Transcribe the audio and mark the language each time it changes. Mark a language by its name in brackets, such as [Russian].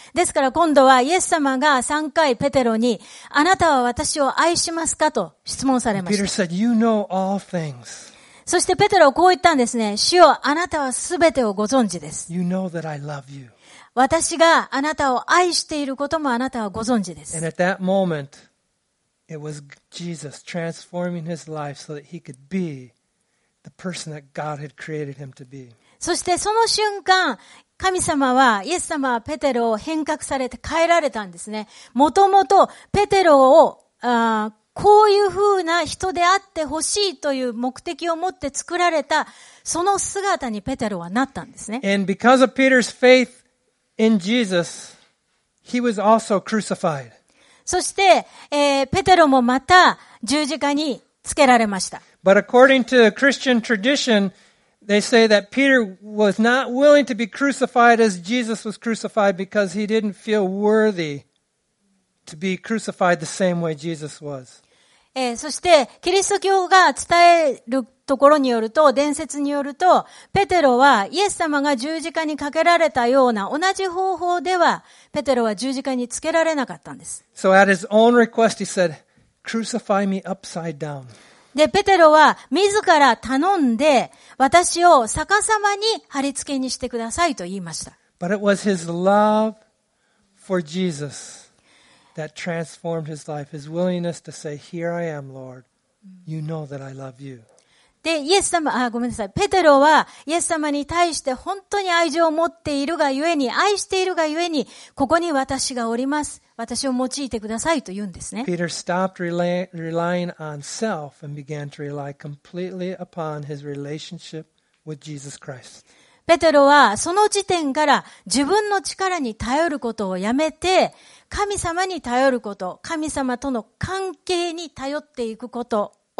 [Japanese] ですから今度はイエス様が三回ペテロに、あなたは私を愛しますかと質問されました。 [English] Peter said, "You know all things." [Japanese] そしてペテロはこう言ったんですね。主よ、あなたはすべてをご存知です。 [English] You know that I love you. [Japanese] 私があなたを愛していることもあなたはご存知です。 [English] And at that moment, it was Jesus transforming his life so that he could be the person that God had created him to be. [Japanese] そしてその瞬間、神様は、イエス様はペテロを変革されて変えられたんですね。もともとペテロを、こういう風な人であってほしいという目的を持って作られた、その姿にペテロはなったんですね。 [English] And because of Peter's faith,In Jesus, he was also crucified. [Japanese] そして、ペテロもまた十字架につけられました。 [English] But according to Christian tradition, They say that Peter was not willing to be crucified as Jesus was crucified because he didn't feel worthy to be crucified the same way Jesus was. [Japanese] そしてキリスト教が伝えるところによると、伝説によると、ペテロはイエス様が十字架にかけられたような同じ方法ではペテロは十字架につけられなかったんです。 [English] So at his own request, he said, "Crucify me upside down." [Japanese] でペテロは自ら頼んで私を逆さまに貼り付けにしてくださいと言いました。 [English] But it was his love for Jesus that transformed his life, his willingness to say, "Here I am, Lord. You know that I love you." [Japanese] で、イエス様、ごめんなさい。ペテロはイエス様に対して本当に愛情を持っているがゆえに、愛しているがゆえに、ここに私がおります。私を用いてくださいと言うんですね。 [English] Peter stopped relying on self and began to rely completely upon his relationship with Jesus Christ. [Japanese] ペテロはその時点から自分の力に頼ることをやめて、神様に頼ること、神様との関係に頼っていくこと。